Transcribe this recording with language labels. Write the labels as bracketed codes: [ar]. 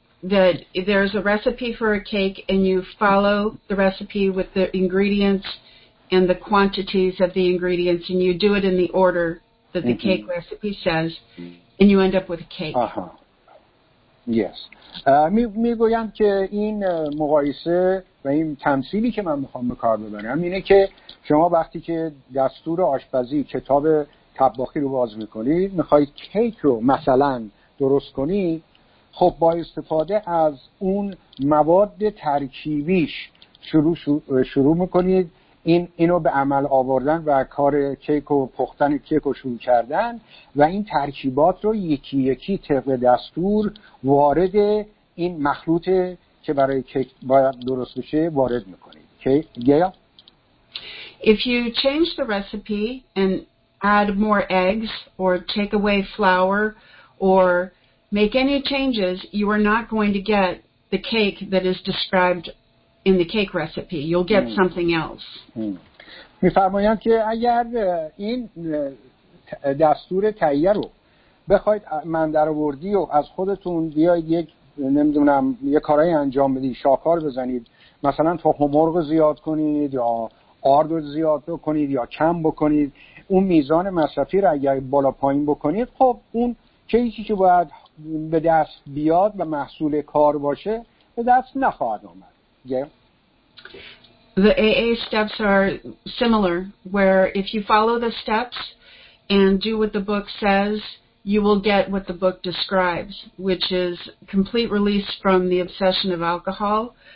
[en] That there's a recipe for a cake and you follow the recipe with the ingredients and the quantities of the ingredients and you do it in the order that the mm-hmm. cake recipe says and you end up with a cake. Uh-huh. Yes. [fa] میگویند که این مقایسه و این تمثیلی که من میخوام به کار ببرم اینه که شما وقتی که دستور آشپزی کتاب طباخی رو باز میکنید میخواید کیک رو مثلا درست کنید، خب با استفاده از اون مواد ترکیبیش شروع میکنید اینو به عمل آوردن و کار کیک و پختن کیک رو شروع کردن و این ترکیبات رو یکی یکی طبق دستور وارد این مخلوط که برای کیک باید درست بشه وارد میکنید. [en] Okay. Yeah. If you change the recipe and add more eggs or take away flour or make any changes, you are not going to get the cake that is described in the cake recipe. You'll get something else. [fa] می‌فرمایند که اگر این دستور تهیه رو بخواید من درآوردی و از خودتون بیاید یک نمیدونم یه کارای انجام بدید، شاهکار بزنید، مثلا تخم مرغ زیاد کنید یا آرد رو زیاد بکنید یا کم بکنید، اون میزان مصرفی رو اگر بالا پایین بکنید، خب اون کیکی که باید به دست بیاد و محصول کار باشه به دست نخواهد آمد. [en] The AA steps are similar, where if you follow the steps and do what the book says, you will get what the book describes, which is complete release from the obsession of alcohol.